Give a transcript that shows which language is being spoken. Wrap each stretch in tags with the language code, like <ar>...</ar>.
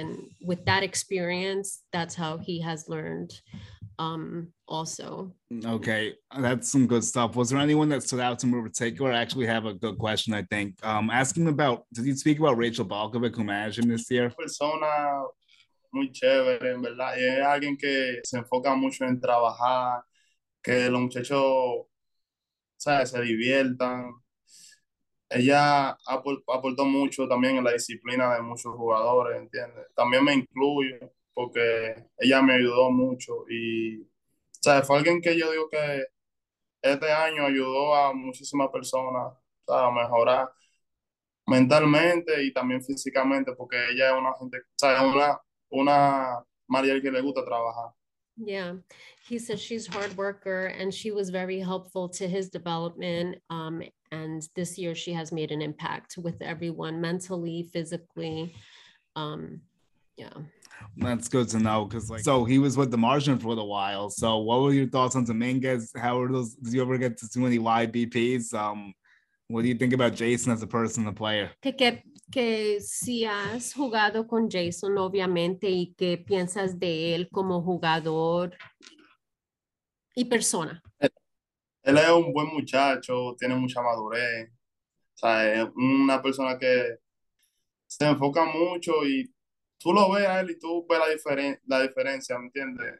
<en>And with that experience, that's how he has learned also. Okay, that's some good stuff. Was there anyone that stood out to me in particular? I actually have a good question, I think. Asking about, did you speak about Rachel Balcovic, who managed him this year?</en> <es>Persona muy chévere, en verdad, y es alguien que se enfoca mucho en trabajar, que los muchachos, ¿sabes? Se diviertan, Ella aportó mucho también en la disciplina de muchos jugadores, ¿entiendes? También me incluyo porque ella me ayudó mucho y, o sea, fue alguien que yo digo que este año ayudó a muchísimas personas, ¿sabes? A mejorar mentalmente y también físicamente, porque ella es una gente, ¿sabes? Una Mariel que le gusta trabajar.</es> <en>Yeah, he said she's hard worker and she was very helpful to his development. And this year she has made an impact with everyone mentally, physically. That's good to know, because like, so he was with the Martian for the while. So what were your thoughts on Dominguez? How were those? Did you ever get to too many YBPs? What do you think about Jason as a person, the player?</en> <es>Que si has jugado con Jason, obviamente, y qué piensas de él como jugador y persona. Él es un buen muchacho, tiene mucha madurez. O sea, es una persona que se enfoca mucho y tú lo ves a él y tú ves la diferencia, ¿me entiendes?</es>